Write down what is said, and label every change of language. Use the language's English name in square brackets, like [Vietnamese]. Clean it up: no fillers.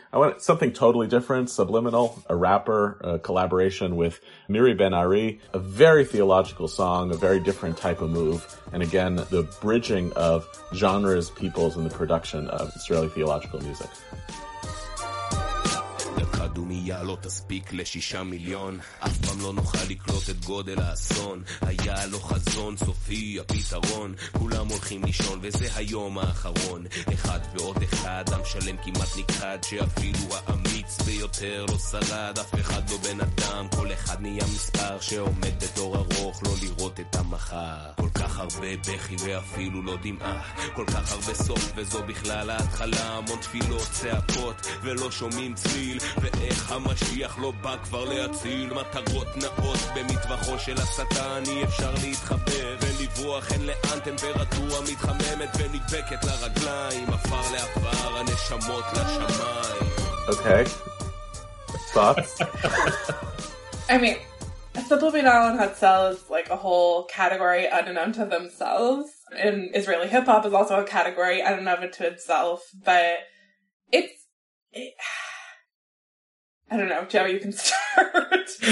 [English] I want something totally different, subliminal, a rapper, a collaboration with Miri Ben-Ari, a very theological song, a very different type of move. And again, the bridging of genres, peoples, and the production of Israeli theological music. [Hebrew] דומיה לא תספיק לשישה מיליון אף פעם לא נוכל לקלוט את גודל האסון היה לו חזון סופי הפתרון כולם הולכים לישון וזה היום האחרון אחד ועוד אחד עם שלם כמעט נכחד שאפילו האמיץ ביותר לא שרד אף אחד לא בן אדם כל אחד נהיה מספר שעומד בתור ארוך לא לראות את המחר כל כך הרבה בכי ואפילו לא דמעה כל כך הרבה סוף וזו בכלל ההתחלה המון תפילות צעקות ולא שומעים צליל ו ואיך המשיח לא בא כבר להציל מטרות נאות במטווחו של השטן אי אפשר להתחבר ולברוח אין לאן טמפרטורה מתחממת ונדבקת לרגליים עפר לעפר הנשמות לשמיים. [English] אוקיי, thoughts? I mean, Simple Beat Alan had cells like a whole category in and unto themselves, and Israeli hip hop is also a category in and of it to itself, but I don't know, Joe, you can start.